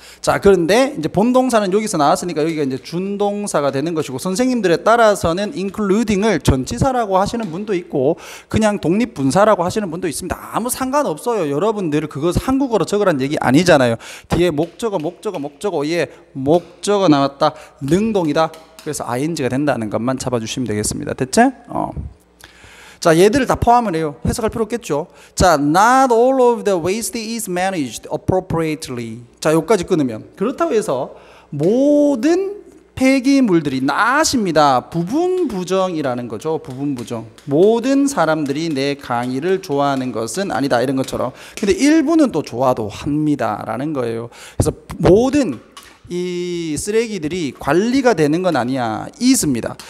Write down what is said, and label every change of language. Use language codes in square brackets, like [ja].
[ko] 자, 그런데 이제 본동사는 여기서 나왔으니까 여기가 이제 준동사가 되는 것이고 선생님들에 따라서는 including을 전치사라고 하시는 분도 있고 그냥 독립분사라고 하시는 분도 있습니다. 아무 상관없어요. 여러분들 그거 한국어로 적으란 얘기 아니잖아요. 뒤에 목적어 예, 목적어 나왔다. 능동이다. 그래서 ing가 된다는 것만 잡아주시면 되겠습니다. 됐지? 자, 얘들을 다 포함을 해요. 해석할 필요 없겠죠. [en] 자, not all of the waste is managed appropriately. [ko] 자, 여기까지 끊으면 그렇다고 해서 모든 폐기물들이 not입니다. 부분 부정이라는 거죠. 부분 부정. 모든 사람들이 내 강의를 좋아하는 것은 아니다. 이런 것처럼. 근데 일부는 또 좋아도 합니다라는 거예요. 그래서 모든 이 쓰레기들이 관리가 되는 건 아니야. 있습니다.